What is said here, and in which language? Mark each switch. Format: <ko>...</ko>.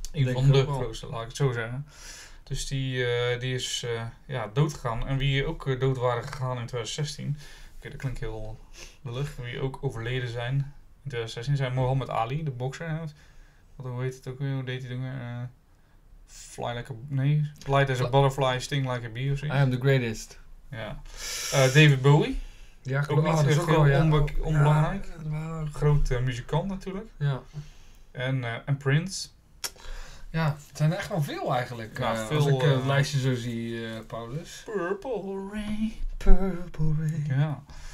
<nl>een van de grootste, laat ik het zo zeggen. Dus die is dood gegaan. En wie ook dood waren gegaan in 2016. Oké, dat klinkt heel lullig. Wie ook overleden zijn in 2016 zijn Mohammed Ali, de bokser. Wat hoe heet het ook weer? Hoe deed hij dat?</nl> <en>Light as a butterfly, sting like a bee</en> <nl>of zoiets.</nl> <en>I am the greatest.</en> <nl>Ja. David Bowie. Ja, ook niet heel onbelangrijk. Ja, groot muzikant natuurlijk. Ja. En Prince. Ja, het zijn er echt wel veel eigenlijk. Ja, veel, als ik het lijstje zo zie, Paulus. Purple Rain. Ja.</nl>